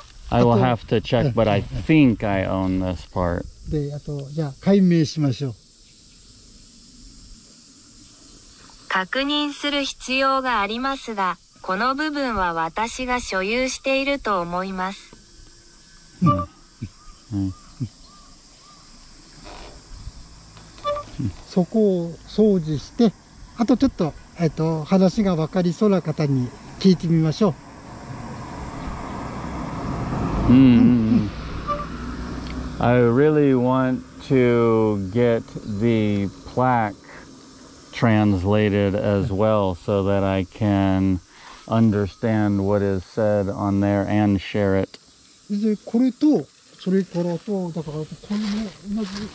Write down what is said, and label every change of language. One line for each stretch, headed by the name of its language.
English: I will have to check, but I think I own this part.
Japanese: で、あと、じゃあ、解明しましょう。確認する必要がありますが、この部分は私が所有していると思います。そこを掃除して、あとちょっと、話が分かりそうな方に聞いてみましょう。
English: I really want to get the plaque translated as well so that I can understand what is said on there and share it.
Japanese: で、これと、それからと、だからこれも同じ。